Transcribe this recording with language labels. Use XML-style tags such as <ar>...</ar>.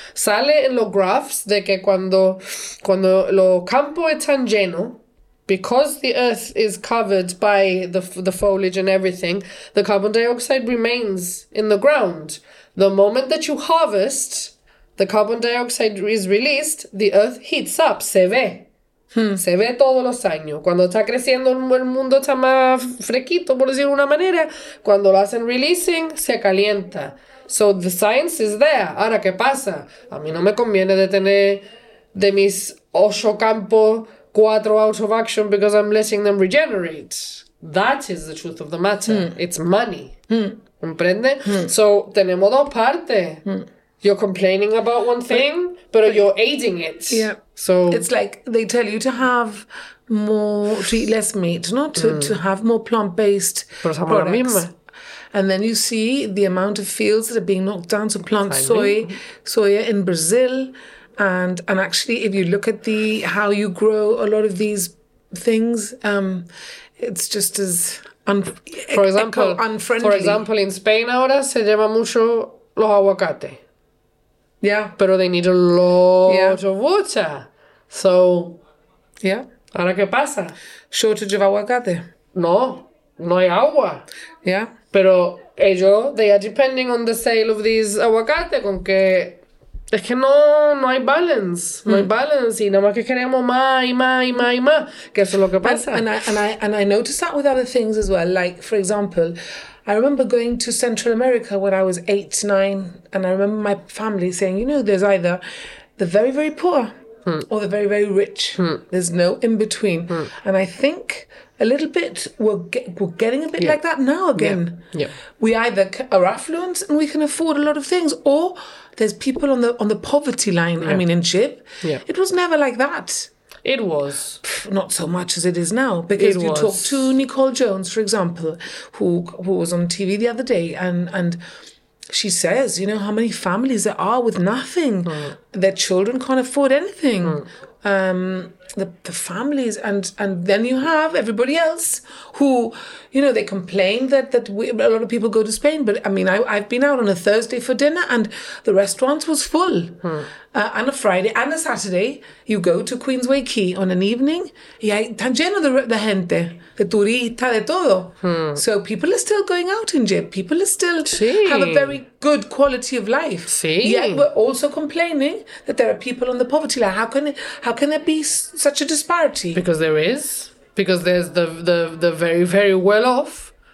<es>Sale en los graphs de que cuando los campos están llenos,</es> <en>because the earth is covered by the foliage and everything, the carbon dioxide remains in the ground. The moment that you harvest, the carbon dioxide is released. The earth heats up.</en> <es>Se ve. Se ve todos los años. Cuando está creciendo, el mundo está más fresquito, por decirlo de una manera. Cuando lo hacen releasing, se calienta.</es> <en>So the science is there.</en> <es>Ahora, ¿qué pasa? A mí no me conviene detener de mis 8 campos 4</es> <en>out of action because I'm letting them regenerate. That is the truth of the matter. It's money.</en> <es>¿Comprende? So tenemos dos partes.</es> <en>You're complaining about one thing, but you're aiding it. Yeah. So it's like they tell you to have more, to eat less meat, not to have more plant-based products. And then you see the amount of fields that are being knocked down to plant soya in Brazil. And actually, if you look at the how you grow a lot of these things, it's just as unfriendly. For example, in Spain</en> <es>ahora se lleva mucho los aguacates.</es> <en>Yeah. Pero they need a lot of water. So, yeah.</en> <es>¿Ahora qué pasa?</es> <en>Shortage of aguacate.</en> <es>No, no hay agua.</es> <en>Yeah.</en> <es>Pero ellos,</es> <en>they are depending on the sale of these aguacate,</en> <es>con que... Es que no hay balance. No hay balance. Y nada más que queremos más y más y más y más. Que eso es lo que pasa.</es> <en>And I noticed that with other things as well. Like, for example, I remember going to Central America when I was 8, 9. And I remember my family saying, you know, there's either the very, very poor... Or the very, very rich. There's no in between. And I think a little bit, we're getting a bit like that now again. Yeah. We either are affluent and we can afford a lot of things, or there's people on the poverty line. Yeah. I mean, in Chip, it was never like that. It was. Not so much as it is now. Because you talk to Nicole Jones, for example, who was on TV the other day, and she says, you know, how many families there are with nothing. Their children can't afford anything. The families, and then you have everybody else who, you know, they complain that a lot of people go to Spain. But, I mean, I've been out on a Thursday for dinner and the restaurant was full. And a Friday and a Saturday, you go to Queensway Quay on an evening.</en> <es>Y hay tan lleno de gente, de turista, de todo.</es> <en>So people are still going out in Jeep. People are still have a very good quality of life. Yet we're also complaining that there are people on the poverty line. How can there be such a disparity? Because there is. Because there's the very, very well off.</en>